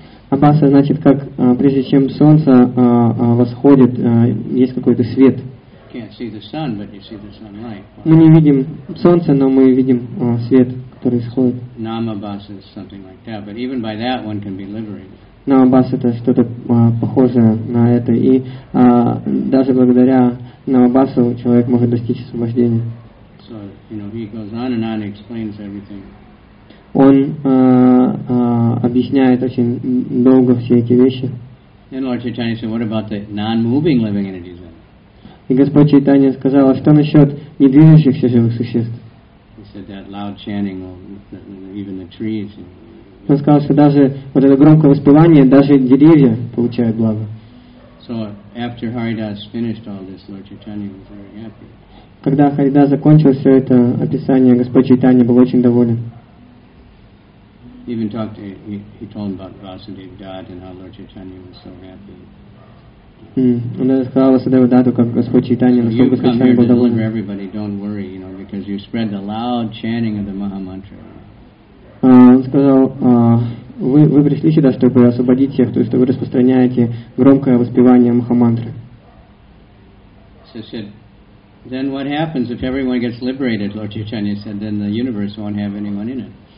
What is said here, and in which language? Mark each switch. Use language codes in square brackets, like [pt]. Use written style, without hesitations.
[ru] Абаса значит, как прежде чем солнце восходит, есть какой-то свет. Мы не видим солнце, но мы видим свет, который исходит. [en] Намабаса is something like that, but even by that one can be liberated. [ru] Намабаса это что-то похожее на это, и даже благодаря намабасу человек может достичь освобождения. [en] So, he goes on and on and explains everything. [ru] Он объясняет очень долго все эти вещи. [en] Then Lord Chaitanya said, "What about the non-moving living entities?" [ru] И Господь Чайтанья сказал, что насчет недвижущихся живых существ? [en] He said that loud chanting, even the trees. [ru] Он сказал, что даже вот это громкое воспевание, даже деревья получают благо. [en] So after Haridas finished all this, Lord Chaitanya was very happy. [ru] Когда Харидас закончил все это описание, Господь Чайтанья был очень доволен. [en] Even talked to him, he told him about Vasudev Dad and how Lord Chaitanya was so happy. [ru] Он рассказал Васудеву Даду, как Господь Чайтанья, насколько Господь был доволен. [en] Don't worry, because you spread the loud chanting of the Maha Mantra. [ru] Он сказал, вы пришли сюда, чтобы освободить всех, то есть что вы распространяете громкое воспевание Маха Мантры. [en] So said, then what happens if everyone gets liberated? Lord Chaitanya said, then the universe won't have anyone in it.